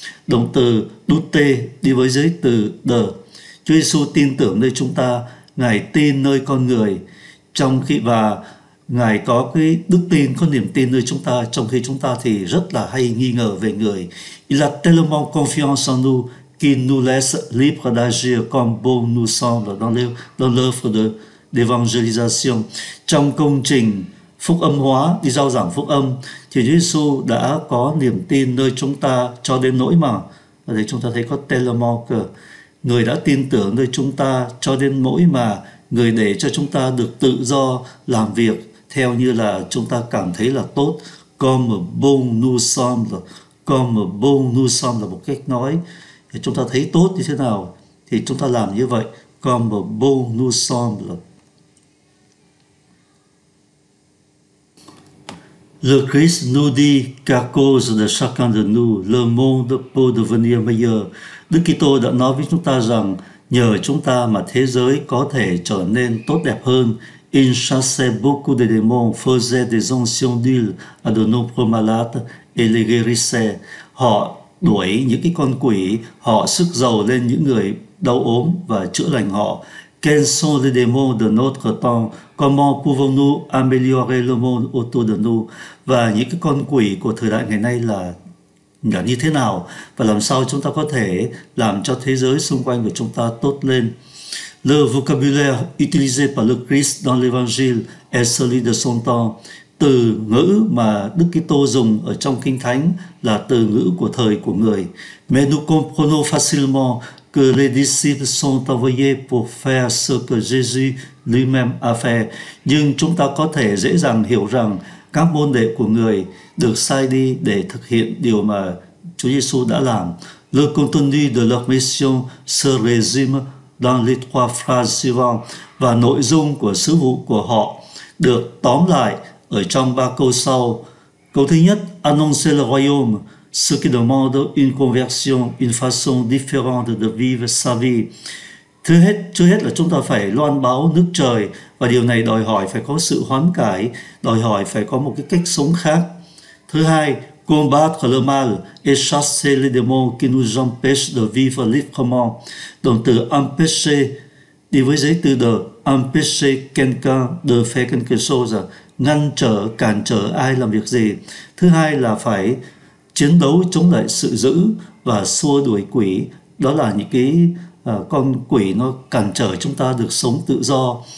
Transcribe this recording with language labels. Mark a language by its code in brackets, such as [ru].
[vi] Động từ douter đi với giới từ de. Chúa Giêsu tin tưởng nơi chúng ta, Ngài tin nơi con người, trong khi và Ngài có cái đức tin, có niềm tin nơi chúng ta, trong khi chúng ta thì rất là hay nghi ngờ về người. [fr] Il a tellement confiance en nous, qui nous laisse libre d'agir comme bon nous semble dans l'œuvre de l'évangélisation. [vi] Trong công trình phúc âm hóa, đi rao giảng phúc âm, thì Chúa Giêsu đã có niềm tin nơi chúng ta cho đến nỗi mà, ở đây chúng ta thấy có telemark, người đã tin tưởng nơi chúng ta cho đến nỗi mà người để cho chúng ta được tự do làm việc theo như là chúng ta cảm thấy là tốt. [fr] Comme bon nous semble, comme bon nous semble [vi] là một cách nói. Chúng ta thấy tốt như thế nào thì chúng ta làm như vậy. [fr] Comme bon nous semble. Le Christ nous dit qu'à cause de chacun de nous, le monde peut devenir meilleur. [vi] Đức Kitô đã nói với chúng ta rằng nhờ chúng ta mà thế giới có thể trở nên tốt đẹp hơn. [fr] Il chassait beaucoup de démons, faisait des onctions d'huile à de nombreux malades et les guérissait. [vi] Họ đuổi những cái con quỷ, họ sức dầu lên những người đau ốm và chữa lành họ. [fr] Quels sont les démons de notre temps? Comment pouvons-nous améliorer le monde autour de nous? [vi] Và những cái con quỷ của thời đại ngày nay là như thế nào? Và làm sao chúng ta có thể làm cho thế giới xung quanh của chúng ta tốt lên? [fr] Le vocabulaire utilisé par le Christ dans l'Évangile est celui de son temps. [vi] Từ ngữ mà Đức Kitô dùng ở trong Kinh Thánh là từ ngữ của thời của người. [fr] Mais nous comprenons facilement que les disciples sont envoyés pour faire ce que Jésus lui-même a fait. [vi] Nhưng chúng ta có thể dễ dàng hiểu rằng các môn đệ của người được sai đi để thực hiện điều mà Chúa Giêsu đã làm. [fr] Le contenu de leur mission se résume dans les trois phrases suivantes. [vi] Và nội dung của sứ vụ của họ được tóm lại ở trong ba câu sau. Câu thứ nhất, [fr] annoncer le royaume, ce qui demande une conversion, une façon différente de vivre sa vie. [vi] Trước hết là chúng ta phải loan báo nước trời, và điều này đòi hỏi phải có sự hoán cải, đòi hỏi phải có một cái cách sống khác. Thứ hai, [fr] combattre le mal et chasser les démons qui nous empêchent de vivre librement. [vi] Động từ empêcher đi với giấy từ de, [fr] empêcher quelqu'un de faire quelque chose, [vi] ngăn trở, cản trở ai làm việc gì. Thứ hai là phải chiến đấu chống lại sự dữ và xua đuổi quỷ. Đó là những cái con quỷ nó cản trở chúng ta được sống tự do.